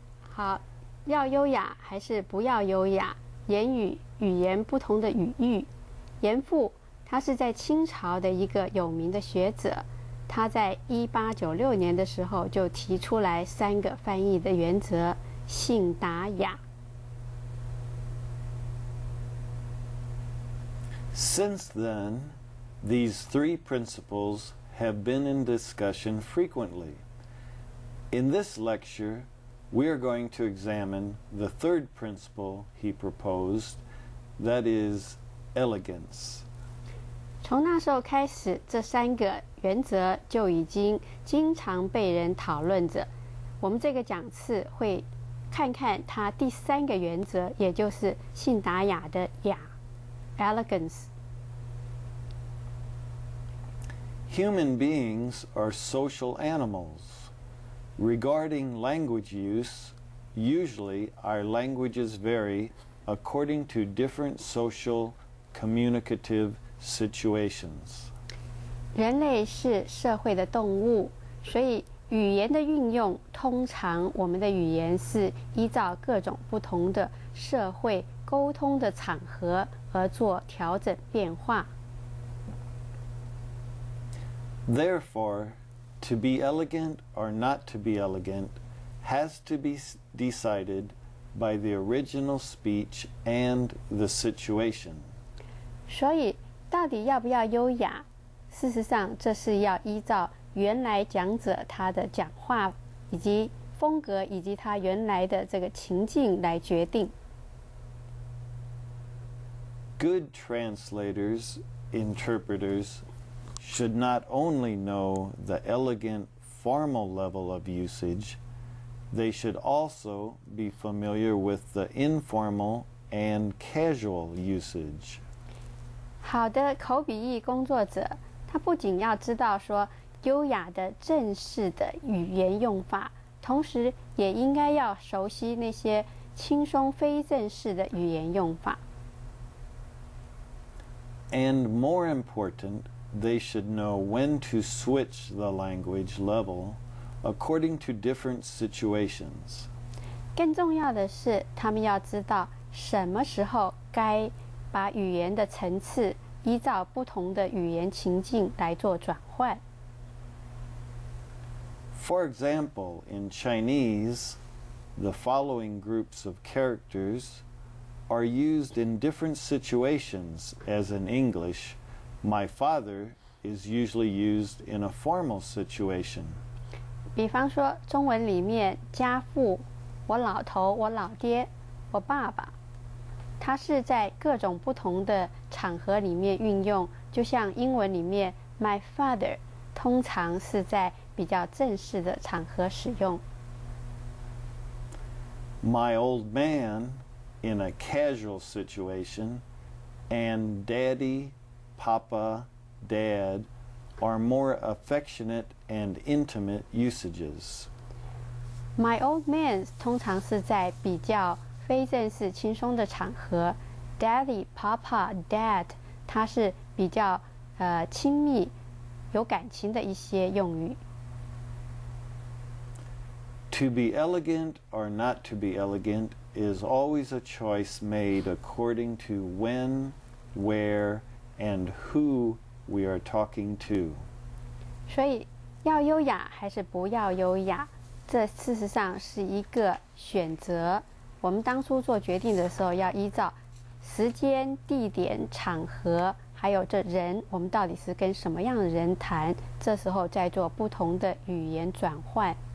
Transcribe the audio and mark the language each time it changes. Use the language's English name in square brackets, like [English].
[Chinese] 好，要优雅还是不要优雅？言语、语言不同的语域。严复，他是在清朝的一个有名的学者，他在1896年的时候就提出来三个翻译的原则，信达雅。 [English] Since then, these three principles have been in discussion frequently. In this lecture, we are going to examine the third principle he proposed, that is, elegance. [Chinese] 从那时候开始，这三个原则就已经经常被人讨论着。我们这个讲次会看看他第三个原则，也就是信达雅的雅 ，elegance. [English] Human beings are social animals. Regarding language use, usually our languages vary according to different social communicative situations. [Chinese] 人类是社会的动物，所以语言的运用，通常我们的语言是依照各种不同的社会沟通的场合而做调整变化。 [English] Therefore, to be elegant or not to be elegant has to be decided by the original speech and the situation. [Chinese] 所以，到底要不要优雅？事实上，这是要依照原来讲者他的讲话以及风格以及他原来的这个情境来决定。 [English] Good translators, interpreters, should not only know the elegant formal level of usage, they should also be familiar with the informal and casual usage. [Chinese] 好的口笔译工作者，他不仅要知道说优雅的正式的语言用法，同时也应该要熟悉那些轻松非正式的语言用法。 [English] And more important, they should know when to switch the language level according to different situations. [Chinese] 更重要的是，他们要知道什么时候该把语言的层次依照不同的语言情境来做转换。 [English] For example, in Chinese, the following groups of characters are used in different situations as in English. My father is usually used in a formal situation. [Chinese] 比方说中文里面家父、我老头、我老爹、我爸爸，它是在各种不同的场合里面运用，就像英文里面 [English] my father [Chinese] 通常是在比较正式的场合使用。 [English] My old man in a casual situation and daddy, papa, dad are more affectionate and intimate usages. My old man [Chinese] 通常是在比较非正式轻松的场合， [English] daddy, papa, dad [Chinese] 它是比较亲密有感情的一些用语。 [English] To be elegant or not to be elegant is always a choice made according to when, where, and who we are talking to. [Chinese] 所以要优雅还是不要优雅，这事实上是一个选择。我们当初做决定的时候要依照时间、地点、场合，还有这人，我们到底是跟什么样的人谈，这时候再做不同的语言转换。